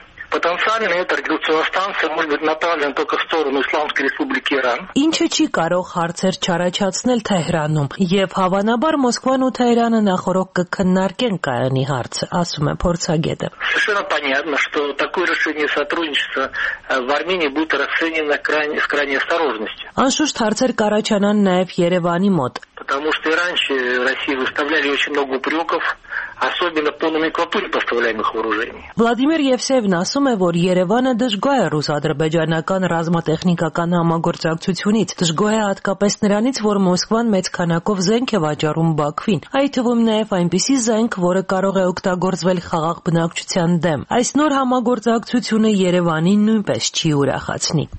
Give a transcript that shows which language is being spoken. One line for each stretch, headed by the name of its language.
Russian: Потенциально эта радиолокационная станция может быть направлена только в сторону Исламской Республики Иран.
Armenian: Ինչը չի կարող հարցեր չառաջացնել Թեհրանում, եւ հավանաբար Մոսկվան ու Թեհրանը նախորոք կքննարկեն կայանի հարցը, ասում է փորձագետը։
Russian: Совершенно понятно, что такое решение сотрудничества в Армении будет расценено крайне с крайней осторожностью.
Armenian: Անշուշտ հարցեր կառաջանան նաեւ Երևանի մոտ,
Russian: потому что раньше Россия выставляли очень много упрёков. Особенно по номенклатуре поставляемых вооружений.
Armenian: Владимир Евсеевн ասում է, որ Երևանը դժգոհ է ռուս-ադրբեջանական ռազմատեխնիկական համագործակցությունից, դժգոհ է հատկապես նրանից, որ Մոսկվան մեծ քանակով զենք է վաճառում Բաքվին, այդ թվում նաև այնպիսի զենք, որը կարող է օգտագործվել խաղաղ բնակչության դեմ։ Այս նոր համագործակցությունը Երևանին նույնպես չի ուրախացնի։